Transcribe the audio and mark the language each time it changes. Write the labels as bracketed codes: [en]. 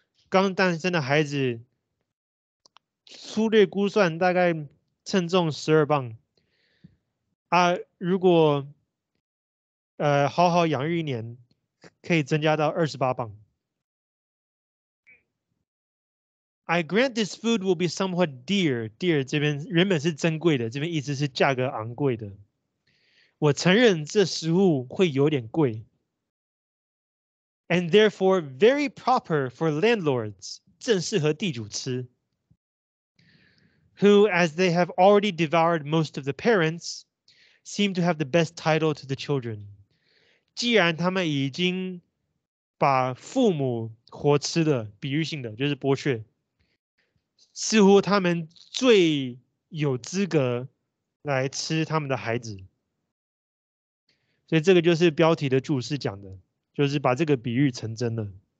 [zh] 刚诞生的孩子粗略估算大概称重12磅。啊，如果好好养育一年可以增加到28磅。 [en] I grant this food will be somewhat dear. [zh] Dear 这边原本是珍贵的，这边意思是价格昂贵的。我承认这食物会有点贵。 [en] And therefore very proper for landlords, [zh] 正适合地主吃。 [en] Who, as they have already devoured most of the parents, seem to have the best title to the children. [zh] 既然他们已经把父母活吃的，比喻性的，就是剥削。似乎他们最有资格来吃他们的孩子，所以这个就是标题的注释讲的，就是把这个比喻成真了。